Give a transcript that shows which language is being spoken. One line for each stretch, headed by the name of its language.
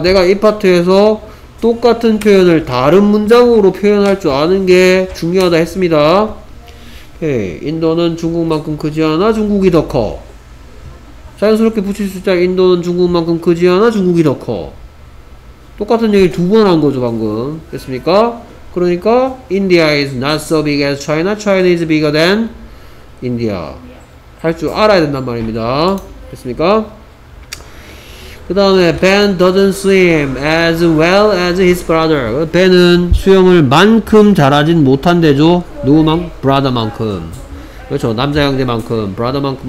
Korean: 내가 이 파트에서 똑같은 표현을 다른 문장으로 표현할 줄 아는 게 중요하다 했습니다. 오케이. 인도는 중국만큼 크지 않아 중국이 더 커. 자연스럽게 붙일 수 있다. 인도는 중국만큼 크지 않아 중국이 더 커. 똑같은 얘기 두 번 한 거죠 방금. 됐습니까?
English: 그러니까 India is not so big as China. China is bigger than India.
Korean: 할 줄 알아야 된단 말입니다. 됐습니까? 그 다음에
English: Ben doesn't swim as well as his brother.
Korean: Ben은 수영을 만큼 잘하진 못한대죠. 누구만? Brother만큼. 그렇죠. 남자 형제만큼. Brother만큼.